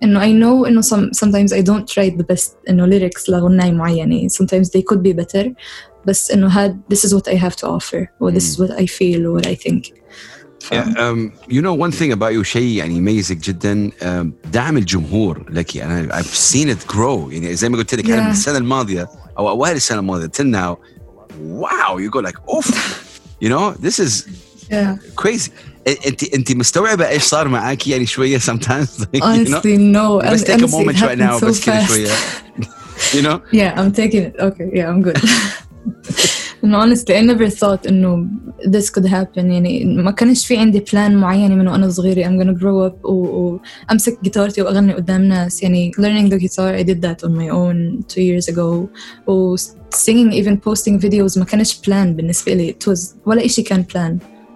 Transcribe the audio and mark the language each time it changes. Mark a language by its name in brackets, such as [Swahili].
[English] إنه I know إنه sometimes I don't write the best إنه lyrics [Arabic] لغناية معينة، [English] sometimes they could be better، [Arabic] بس إنه هاد [English] this is what I have to offer or this is what I feel or what I think. You know one thing about you [Arabic] شيء يعني [English] amazing [Arabic] جدا، دعم الجمهور لك. أنا [English] I've seen it grow [Arabic] يعني زي ما قلت لك أنا من السنة الماضية أو أوائل السنة الماضية [English] till now. Wow you go like oof you know this is crazy. [Arabic] أنت مستوعبة إيش صار معاكي يعني شوية sometimes [English] honestly no let's take a moment right now [Arabic] بس كده شوية [English] you know yeah I'm taking it okay yeah I'm good. And honestly I never thought [Arabic] إنه [English] this could happen [Arabic] يعني ما كانش في عندي plan معين من وأنا صغيرة [English] I'm gonna grow up [Arabic] وأمسك جيتارتي وأغني قدام ناس. [English] يعني learning the guitar I did that on my own 2 years ago singing even posting videos [Arabic] ما كانش plan بالنسبة لي [English] it was [Arabic] ولا إشي كان plan.